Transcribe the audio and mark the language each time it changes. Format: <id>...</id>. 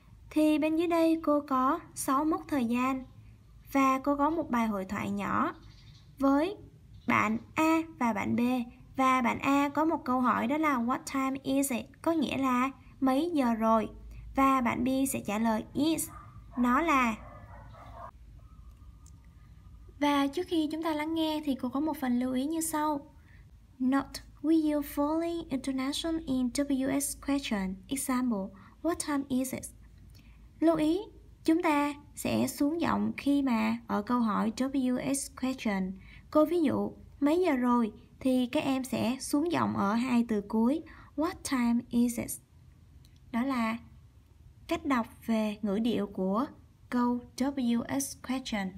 <vi>Thì bên dưới đây cô có 6 mốc thời gian và cô có một bài hội thoại nhỏ với bạn A và bạn B. Và bạn A có một câu hỏi đó là</vi> <en>what time is it?</en> <vi>Có nghĩa là mấy giờ rồi? Và bạn B sẽ trả lời is, nó là. Và trước khi chúng ta lắng nghe thì cô có một phần lưu ý như sau.</vi> <en>Note, will you fully intonation in WS question? Example, what time is it?</en> <vi>Lưu ý, chúng ta sẽ xuống giọng khi mà ở câu hỏi WS question. Cô ví dụ, mấy giờ rồi? Thì các em sẽ xuống giọng ở hai từ cuối.</vi> <en>What time is it?</en> <vi>Đó là cách đọc về ngữ điệu của câu WS question.</vi>